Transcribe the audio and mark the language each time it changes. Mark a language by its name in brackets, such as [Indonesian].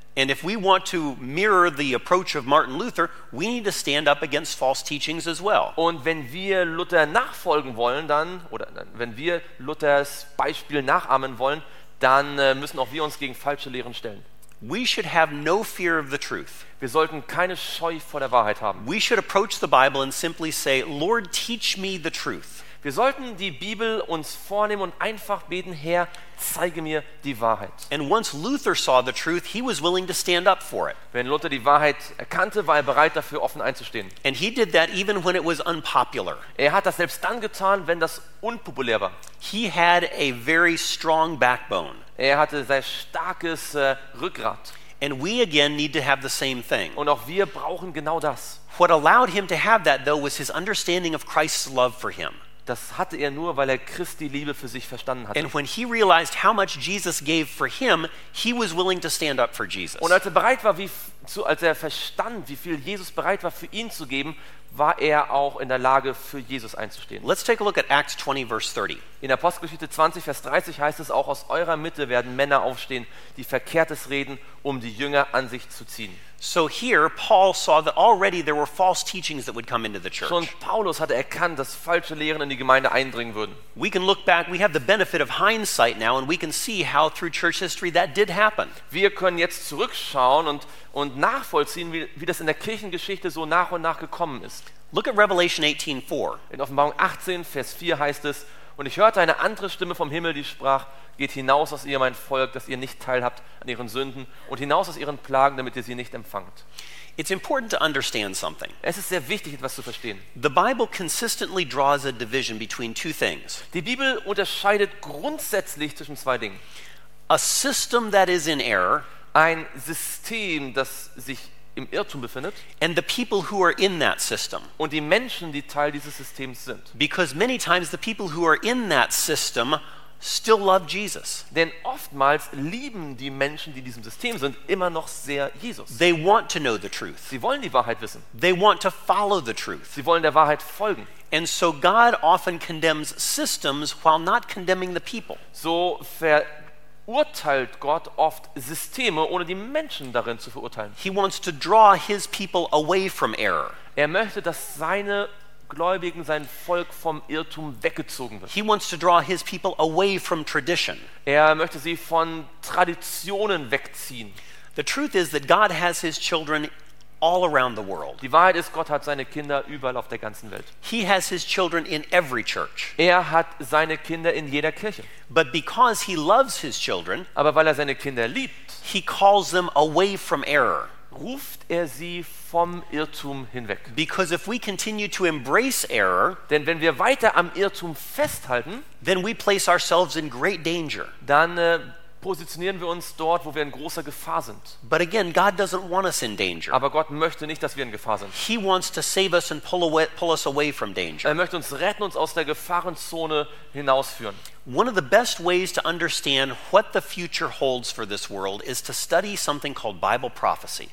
[English] And if we want to mirror the approach of Martin Luther, we need to stand up against false teachings as well. [German] Und wenn wir Luther nachfolgen wollen, dann oder wenn wir Luthers Beispiel nachahmen wollen, dann müssen auch wir uns gegen falsche Lehren stellen. [English] We should have no fear of the truth. [German] Wir sollten keine Scheu vor der Wahrheit haben. [English] We should approach the Bible and simply say, Lord, teach me the truth. [German] Wir sollten die Bibel uns vornehmen und einfach beten, Herr, zeige mir die Wahrheit. [English] And once Luther saw the truth, he was willing to stand up for it. [German] Wenn Luther die Wahrheit erkannte, war er bereit dafür offen einzustehen. [English] And he did that even when it was unpopular. [German] Er hat das selbst dann getan, wenn das unpopulär war. [English] He had a very strong backbone. [German] Er hatte sehr starkes Rückgrat. [English] And we again need to have the same thing. [German] Und auch wir brauchen genau das. [English] What allowed him to have that though was his understanding of Christ's love for him. [German] Das hatte er nur, weil er Christi Liebe für sich verstanden hatte. [English] And when he realized how much Jesus gave for him, he was willing to stand up for Jesus. [German] Und als er bereit war, als er verstand, wie viel Jesus bereit war für ihn zu geben, war er auch in der Lage, für Jesus einzustehen. [English] Let's take a look at Acts 20 verse 30. [German] In Apostelgeschichte 20 Vers 30 heißt es: Auch aus eurer Mitte werden Männer aufstehen, die Verkehrtes reden, um die Jünger an sich zu ziehen. [English] So here Paul saw that already there were false teachings that would come into the church. [German] Schon Paulus hatte erkannt, dass falsche Lehren in die Gemeinde eindringen würden. [English] We can look back, we have the benefit of hindsight now and we can see how through church history that did happen. [German] Wir können jetzt zurückschauen und nachvollziehen, wie das in der Kirchengeschichte so nach und nach gekommen ist. [English] Look at Revelation 18:4. [German] In Offenbarung 18 Vers 4 heißt es: Und ich hörte eine andere Stimme vom Himmel, die sprach: Geht hinaus aus ihr, mein Volk, dass ihr nicht teilhabt an ihren Sünden, und hinaus aus ihren Plagen, damit ihr sie nicht empfangt. [English] It's important to understand something. [German] Es ist sehr wichtig, etwas zu verstehen. [English] The Bible consistently draws a division between two things. [German] Die Bibel unterscheidet grundsätzlich zwischen zwei Dingen. [English] A system that is in error. [German] Ein System, das sich im Irrtum befindet, [English] and the people who are in that system, [German] und die Menschen, die Teil dieses Systems sind. [English] Because many times the people who are in that system still love Jesus. [German] Denn oftmals lieben die Menschen, die in diesem System sind, immer noch sehr Jesus. [English] They want to know the truth. [German] Sie wollen die Wahrheit wissen. [English] They want to follow the truth. [German] Sie wollen der Wahrheit folgen. [English] And so God often condemns systems while not condemning the people. [German] So verurteilt Gott oft Systeme, ohne die Menschen darin zu verurteilen. [English] He wants to draw his people away from error. [German] Er möchte, dass seine Gläubigen, sein Volk vom Irrtum weggezogen wird. [English] He wants to draw his people away from tradition. [German] Er möchte sie von Traditionen wegziehen. [English] The truth is that God has his children all around the world. [German] Die Wahrheit ist, Gott hat seine Kinder überall auf der ganzen Welt. [English] He has his children in every church. [German] Er hat seine Kinder in jeder Kirche. [English] But because he loves his children, [German] aber weil er seine Kinder liebt, [English] he calls them away from error. [German] Ruft er sie vom Irrtum hinweg. [English] Because if we continue to embrace error, [German] denn wenn wir weiter am Irrtum festhalten, [English] then we place ourselves in great danger. [German] Dann positionieren wir uns dort, wo wir in großer Gefahr sind. [English] But again, God doesn't want us in danger. [German] Aber Gott möchte nicht, dass wir in Gefahr sind. [English] He wants to save us and pull us away from danger. [German] Er möchte uns retten, uns aus der Gefahrenzone hinausführen. [English] One of the best ways to understand what the future holds for this world is to study something called Bible prophecy.